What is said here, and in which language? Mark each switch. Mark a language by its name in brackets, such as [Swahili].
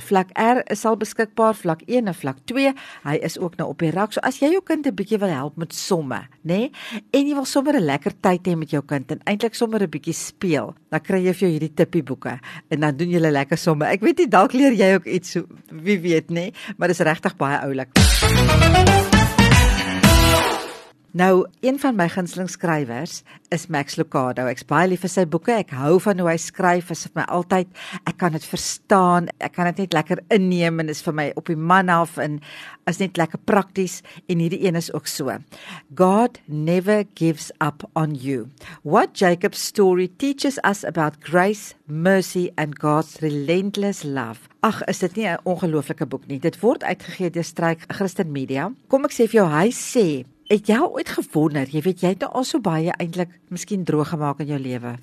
[Afrikaans] Vlak R is al beskikbaar, vlak 1 en vlak 2, hy is ook nou op die rak, so as jy jou kind 'n bietjie wil help met somme, nê, en jy wil sommer 'n lekker tyd hê met jou kind, en eintlik sommer 'n bietjie speel, dan kry jy vir jou hierdie Tippie boeke, en dan doen julle lekker somme. Ek weet nie, dalk leer jy ook iets, wie weet, nê, maar dis regtig baie oulik. Nou, een van my gunsteling skrywers is Max Lucado. Ek is baie lief vir sy boeke. Ek hou van hoe hy skryf. Is vir my altyd, ek kan dit verstaan. Ek kan dit net lekker inneem en is vir my op die man af en is net lekker prakties. En hierdie een is ook so. [English] God never gives up on you. What Jacob's story teaches us about grace, mercy and God's relentless love. [Afrikaans] Ag, is dit nie 'n ongelooflike boek nie. Dit word uitgegee deur Struik Christen Media. Kom, ek sê vir jou, hy sê, het jou ooit gewonder, jy weet, jy het nou al so baie eintlik miskien droog gemaak in jou lewe.